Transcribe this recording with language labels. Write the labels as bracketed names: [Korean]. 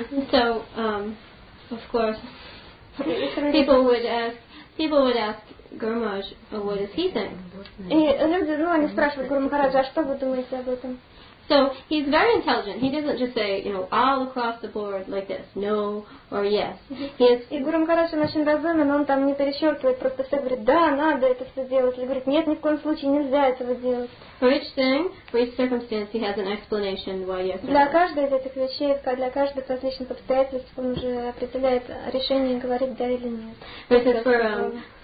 [English] So, of course, people would ask Guru Maharaj, but what does he think? [Russian] Они спрашивают Гуру Махараджа, а что вы думаете об этом? [English] So he's very intelligent. He doesn't just say, you know, all across the board like this, no or yes. [Russian] И Гуру Махарадж очень разумен, он там не перечеркивает, просто все говорит, да, надо это все делать. Или говорит, нет, ни в коем случае нельзя этого делать. [English] For each thing, for each circumstance, he has an explanation why yes. [Russian] Для каждой из этих вещей, для каждой из различных обстоятельств, он уже определяет решение, говорит да или нет.